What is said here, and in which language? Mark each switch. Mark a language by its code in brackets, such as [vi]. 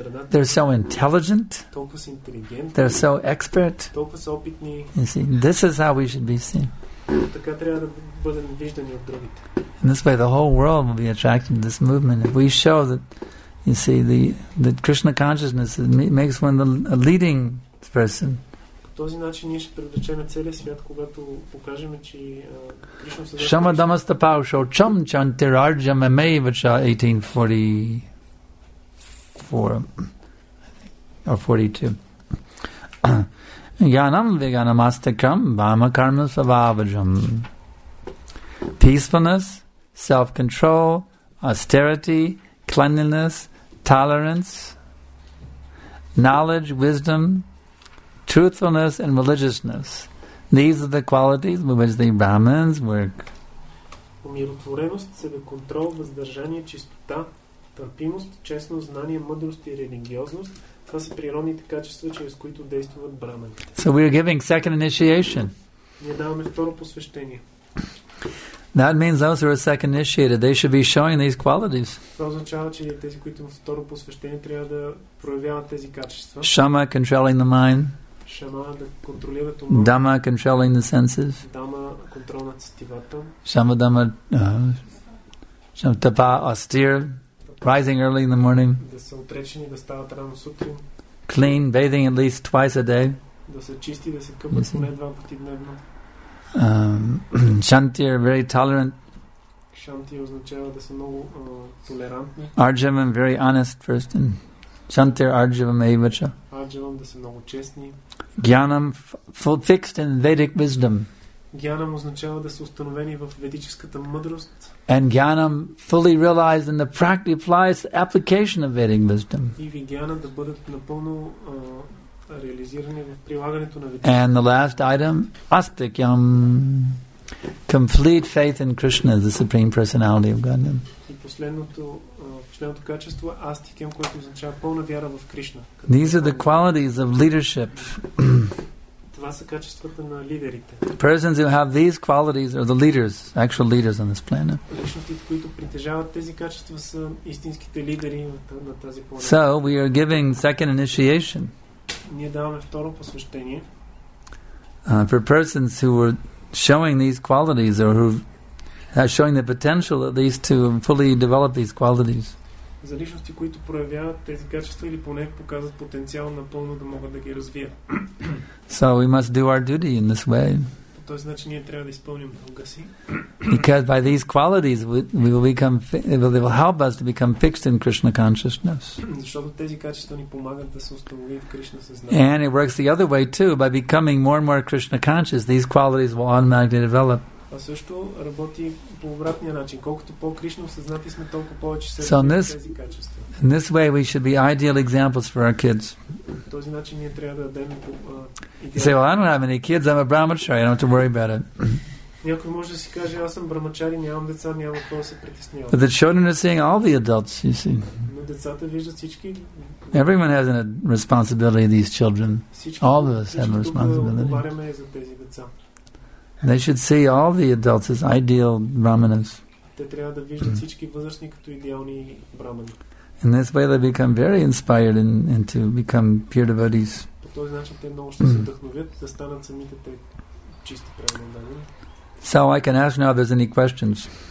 [en] They're so intelligent. They're so expert. You see, this is how we should be seen. [bg] Така трябва да бъдем виждани от другите. [en] In this way, the whole world will be attracted to this movement. If we show that, you see, that Krishna consciousness makes one a leading person. [bg] По този начин ние ще привлечем целия свят, когато покажем, че Кришна... [sa] Шама дамаста паушо, чам чантир арджа мемей вача [en] 1844 or 42. [sa] Yanam veganamastakam vama karma savavajam. [en] Peacefulness, self-control, austerity, cleanliness, tolerance, knowledge, wisdom, truthfulness, and religiousness. These are the qualities with which the Brahmins work. [bg] Умиротвореност, себеконтрол, въздържание, чистота, търпимост, честно знание, мъдрост и религиозност. Това са природните качества, чрез които действуват брахманите. [en] So we are giving second initiation. [bg] Ние даваме второ посвещение. [en] That means those who are second initiated, they should be showing these qualities. [bg] Това означава, че тези, които имат второ посвещение, трябва да проявяват тези качества. [en] Шама, controlling the mind. [bg] Шама, да контролират ума. [en] Дама, controlling the senses. [bg] Дама, контрол на сетивата. [sa] Шама, дама, шама, тапа, austere. [en] Rising early in the morning. [bg] Да се отречени, да стават рано сутрин. [en] Clean, bathing at least twice a day. [bg] Да се чисти, да се къпат поне два пъти дневно. [en] Shantir, very tolerant. [bg] Shanti означава да са много толерантни. [en] Arjavam, very honest person. [sa] Shantir, Arjavam, Evacha. [bg] Arjavam, да са много честни. [en] Gyanam, fixed in Vedic wisdom. [bg] Гьянам означава да са установени в ведическата мъдрост. [en] And gyanam fully realized in the practical applies application of Vedic wisdom. [bg] И вигьяна да бъдат напълно реализирани в прилагането на ведическа. [en] And the last item, astikyam, complete faith in Krishna, the supreme personality of Godhead. [bg] И последното качество е астикем, което означава пълна вяра в Кришна. [en] These are the qualities of leadership. [bg] Това са качествата на лидерите. [en] Persons who have these qualities are the leaders, actual leaders on this planet. [bg] Личностите, които притежават тези качества, са истинските лидери на тази планета. [en] So we are giving second initiation. [bg] Ние даваме второ посвещение. [en] For persons who are showing these qualities or who are showing the potential at least to fully develop these qualities. [bg] За личности, които проявяват тези качества или поне показват потенциал напълно да могат да ги развият. [en] So we must do our duty in this way. [bg] По този начин ние трябва да изпълним дълга си. [en] Because by these qualities they will help us to become fixed in Krishna consciousness. [bg] Защото тези качества ни помагат да се установим в Кришна съзнание. [en] And it works the other way too. By becoming more and more Krishna conscious, these qualities will automatically develop. [bg] А също работи по обратния начин. Колкото по-кришно осъзнати сме, толкова повече се развиват тези качества. [en] In this way we should be ideal examples for our kids. [bg] По този начин ние трябва да дадем идеал. [en] Say, well, I don't have any kids, I'm a brahmachari, I don't have to worry about it. [bg] Някой може да си каже, аз съм брамачари, нямам деца, няма какво да се притеснявам. [en] But the children are seeing all the adults, you see. [bg] Но децата виждат всички. [en] Everyone has a responsibility, these children. All of us have a responsibility. [bg] Всички тук говорим за тези деца. [en] They should see all the adults as ideal brahmanas. [bg] Те трябва да виждат всички възрастни като идеални брамани. [en] In this way they become very inspired and to become pure devotees. [bg] По този начин те много ще се вдъхновят да станат самите те чисти преданни. [en] So I can ask now if there's any questions.